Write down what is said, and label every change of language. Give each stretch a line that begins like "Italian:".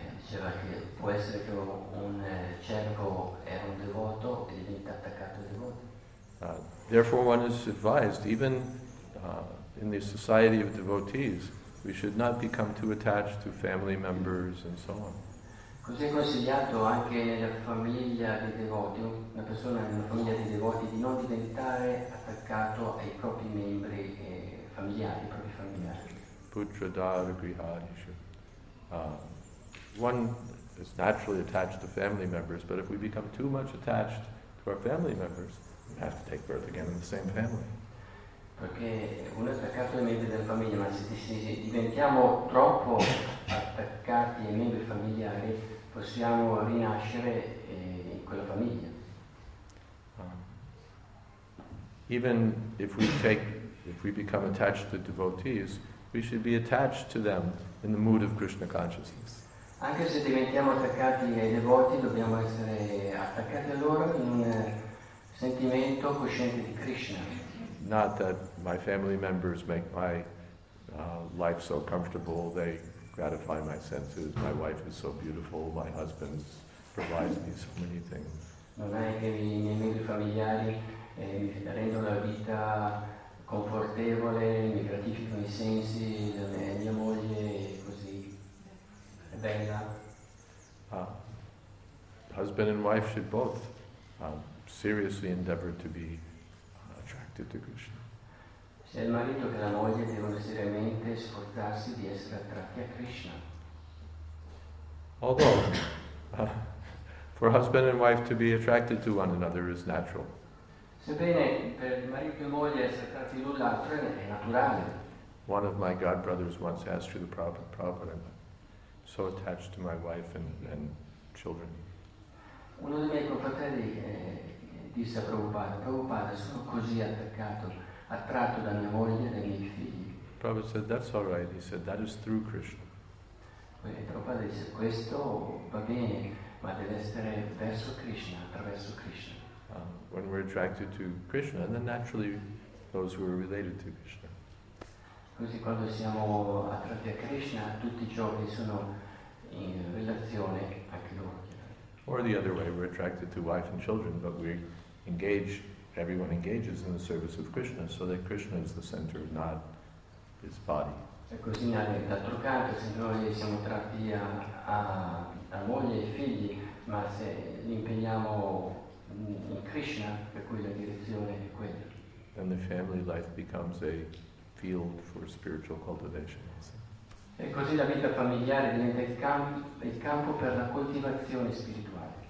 Italian: Diceva che può essere che un cervo era un devoto e diventa attaccato a devoto.
English: Therefore, one is advised, even in the society of devotees. We should not become too attached to family members and so on.
Italian: Così è consigliato anche nella famiglia dei devoti, una persona nella famiglia dei devoti di non diventare attaccato ai propri membri familiari, propri familiari.
Sanskrit: Putra dara grihadisha.
English: One is naturally attached to family members, but if we become too much attached to our family members, we have to take birth again in the same family.
Italian: Perché uno è attaccato ai membri della famiglia, ma se diventiamo troppo attaccati ai membri familiari, possiamo rinascere in quella famiglia.
English: Even if we take, if we become attached to devotees, we should be attached to them in the mood of Krishna consciousness.
Italian: Anche se diventiamo attaccati ai devoti, dobbiamo essere attaccati a loro in un sentimento cosciente di Krishna.
English: Not that my family members make my life so comfortable, they gratify my senses, my wife is so beautiful, my husband provides me so many things.
Italian: non è che i miei membri familiari rendono la vita confortevole, mi gratificano i sensi, mia moglie è così bella.
English: Husband and wife should both seriously endeavor to be attracted to Krishna.
Italian: Se il marito e la moglie devono seriamente sforzarsi di essere attratti a Krishna.
English: Although, for husband and wife to be attracted to one another is natural.
Italian: Sebbene per marito e moglie essere attratti l'un l'altro è naturale.
English: One of my god brothers once asked you the Prabhupada, I'm so attached to my wife and children.
Italian: Uno dei miei confratelli disse a Prabhupada, Prabhupada, sono così attratto da mia moglie e dai miei figli.
English: Prabhupada said, that's all right. He said, that is through Krishna.
Italian: Prabhupada disse, questo va bene, ma deve essere verso Krishna, attraverso Krishna.
English: When we're attracted to Krishna, then naturally those who are related to Krishna.
Italian: Così quando siamo attratti a Krishna, tutti ciò che sono in relazione anche loro.
English: Or the other way, we're attracted to wife and children, but everyone engages in the service of Krishna, so that Krishna is the center, not his body.
Italian: E così d'altro canto, se noi siamo attratti a moglie e figli, ma se li impegniamo in Krishna, per cui la direzione è quella.
English: Then the family life becomes a field for spiritual cultivation.
Italian: E così la vita familiare diventa il campo per la coltivazione spirituale.